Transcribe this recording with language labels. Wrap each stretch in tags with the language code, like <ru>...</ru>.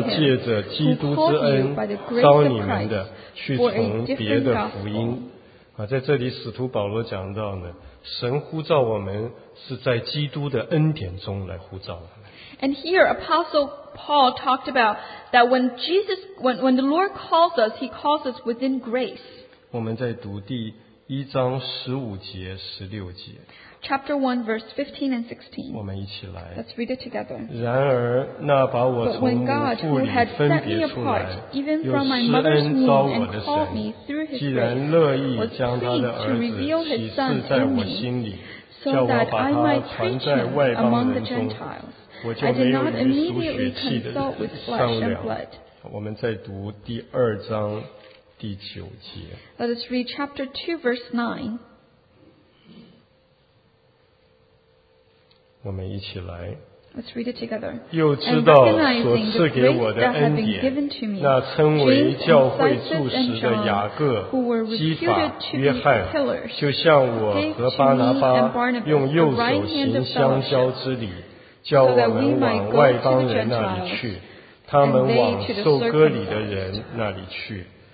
<zh>我稀奇你们这么快离开那借着基督之恩招你们的 去从别的福音。在这里使徒保罗讲到呢, 神呼召我们是在基督的恩典中来呼召我们。</zh> <en>And here Apostle Paul talked about that when Jesus when the Lord calls us, he calls us within grace.</en> <zh>我们再读第一章15节16节。</zh> <en>Chapter 1 verse 15 and 16.</en> <zh>我们一起来。</zh> <en>Let's read it together.</en> <zh>然而那把我从母腹里分别出来,</zh> <en>even from my mother's womb and called me through his grace, was pleased to reveal his son in me, so that I might preach him among the Gentiles. I did not immediately consult with flesh and blood.</en> <zh>我们再读第二章第九节。</zh> <en>Let us read chapter 2 verse 9.</en> <zh>我们一起来。</zh> <en>Let's read it together.</en> <zh>又知道所赐给我的恩典, 那称为教会柱石的雅各, 基法, 约翰, 就像我和巴拿巴, 用右手行香交之礼, 叫我们往外邦人那里去, 他们往受割礼的人那里去。</zh>